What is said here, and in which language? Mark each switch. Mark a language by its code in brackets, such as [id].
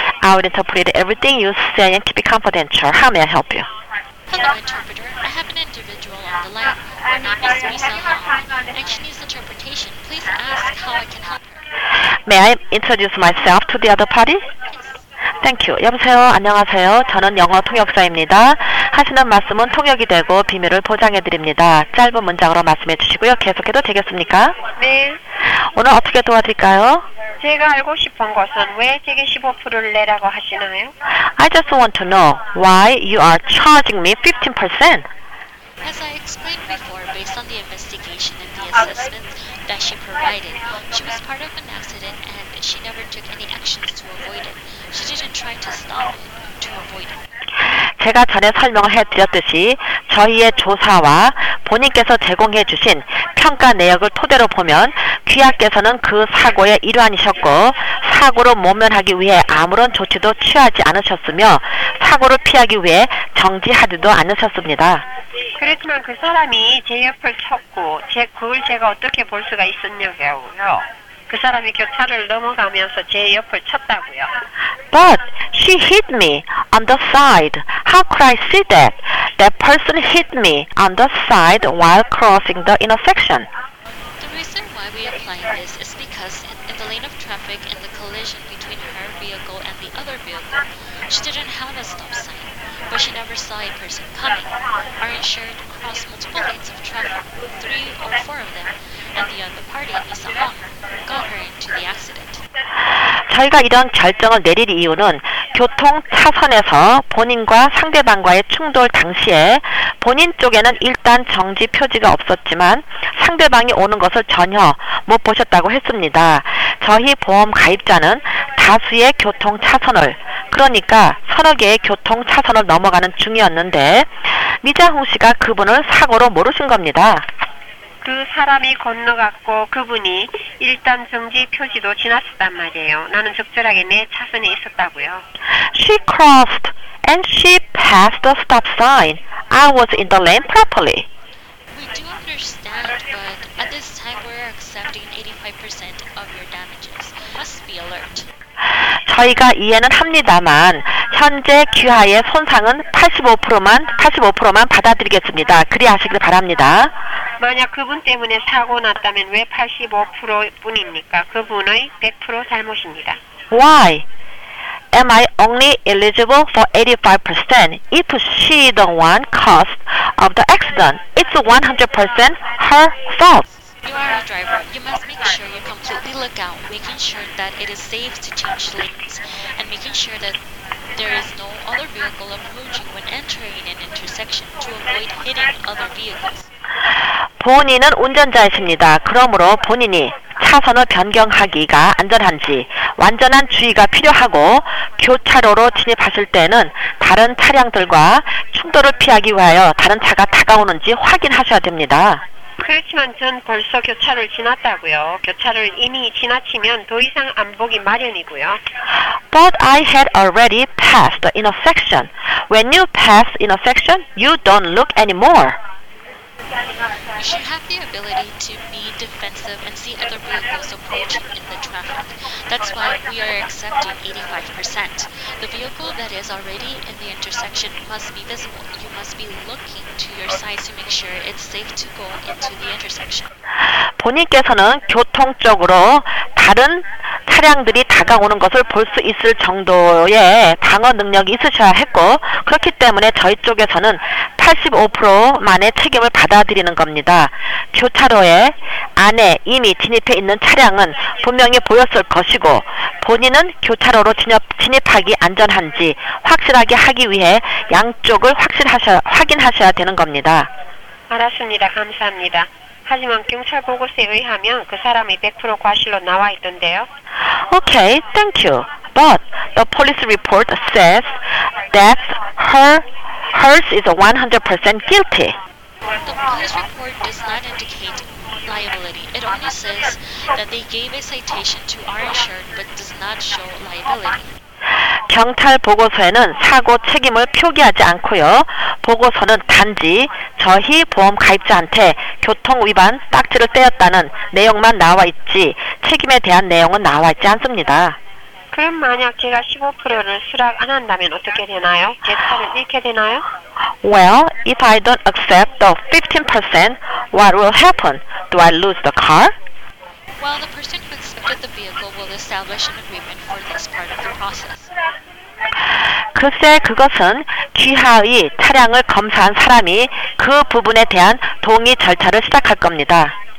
[en] I will interpret everything you say and keep it confidential. How may I help you? Hello, interpreter. I have an individual on the line. Her name is Misa. And she needs interpretation. Please ask how I can help her. May I introduce myself to the other party? Thank you. [ko] 여보세요. 안녕하세요. 저는 영어 통역사입니다. 하시는 말씀은 통역이 되고 비밀을 보장해드립니다. 짧은 문장으로 말씀해 주시고요. 계속해도 되겠습니까? 네. 오늘 어떻게 도와드릴까요? 제가 알고 싶은 것은 왜 제게 15%를 내라고 하시나요? [en] I just want to know why you are charging me 15%. As I explained before, based on the investigation and the assessment that she provided, she was part of an accident and she never took any actions to avoid it. She didn't try to stop it to avoid it. [ko] 제가 전에 설명해 드렸듯이 저희의 조사와 본인께서 제공해 주신 평가 내역을 토대로 보면 귀하께서는 그 사고의 일환이셨고 사고를 모면하기 위해 아무런 조치도 취하지 않으셨으며 사고를 피하기 위해 정지하지도 않으셨습니다. 그렇지만 그 사람이 제 옆을 쳤고 그걸 제가 어떻게 볼 수가 있었냐고요. 그 사람이 교차를 넘어가면서 제 옆을 쳤다고요. [en] But she hit me on the side. How could I see that? That person hit me on the side while crossing the intersection. The reason why we apply this is because in the lane of traffic and the collision between her vehicle and the other vehicle, she didn't have a stop sign, but she never saw a person coming. Our insured crossed multiple lanes of traffic, three or four of them, and the other party, Lisa Hong, got her into the accident. [ko] 저희가 이런 결정을 내릴 이유는 교통 차선에서 본인과 상대방과의 충돌 당시에 본인 쪽에는 일단 정지 표지가 없었지만 상대방이 오는 것을 전혀 못 보셨다고 했습니다. 저희 보험 가입자는 다수의 교통 차선을 그러니까 서너 개의 교통 차선을 넘어가는 중이었는데 미자홍 씨가 그분을 사고로 모르신 겁니다. 그 사람이 건너갔고 그분이 일단 정지 표지도 지났었단 말이에요. 나는 적절하게 내 차선에 있었다고요. [en] She crossed and she passed the stop sign. I was in the lane properly. We do understand, but at this time we're accepting 85% of your damages. Must be alert. [ko] 저희가 이해는 합니다만 현재 귀하의 손상은 85%만 받아들이겠습니다. 그리하시길 바랍니다. 만약 그분 때문에 사고 났다면 왜 85%뿐입니까? 그분의 100% 잘못입니다. [en] Why am I only eligible for 85% if she the one caused of the accident? It's 100% her fault. You are a driver. You must make sure you completely look out, making sure that it is safe to change lanes, and making sure that there is no other vehicle approaching when entering an intersection to avoid hitting other vehicles. [ko] 본인은 운전자이십니다. 그러므로 본인이 차선을 변경하기가 안전한지 완전한 주의가 필요하고 교차로로 진입하실 때는 다른 차량들과 충돌을 피하기 위하여 다른 차가 다가오는지 확인하셔야 됩니다. 그렇지만 전 벌써 교차를 지났다고요. 교차를 이미 지나치면 더 이상 안 보기 마련이고요. [en] But I had already passed the intersection. When you pass intersection, you don't look anymore. You should have the ability to be defensive and see other vehicles approaching in the traffic. That's why we are accepting 85%. The vehicle that is already in the intersection must be visible. You must be looking to your side to make sure it's safe to go into the intersection. [ko] 본인께서는 교통적으로 다른 차량들이 다가오는 것을 볼 수 있을 정도의 방어 능력이 있으셔야 했고 그렇기 때문에 저희 쪽에서는 85%만의 책임을 받아들이는 겁니다. 교차로에 안에 이미 진입해 있는 차량은 분명히 보였을 것이고 본인은 교차로로 진입하기 안전한지 확실하게 하기 위해 양쪽을 확인하셔야 되는 겁니다. 알았습니다. 감사합니다. 하지만 경찰 보고서에 의하면 그 사람이 100% 과실로 나와 있던데요. [en] Okay, thank you. But the police report says that hers is 100% guilty. The police report does not indicate liability. It only says that they gave a citation to our insured but does not show liability. [ko] 경찰 보고서에는 사고 책임을 표기하지 않고요. 보고서는 단지 저희 보험 가입자한테 교통위반 딱지를 떼었다는 내용만 나와 있지 책임에 대한 내용은 나와 있지 않습니다. 그럼 만약 제가 15%를 수락 안 한다면 어떻게 되나요? 제 차를 잃게 되나요? [en] Well, if I don't accept the 15%, what will happen? Do I lose the car? Well, the person who accepted the vehicle will establish an agreement for this part of the process. [ko] 글쎄 그것은 귀하의 차량을 검사한 사람이 그 부분에 대한 동의 절차를 시작할 겁니다.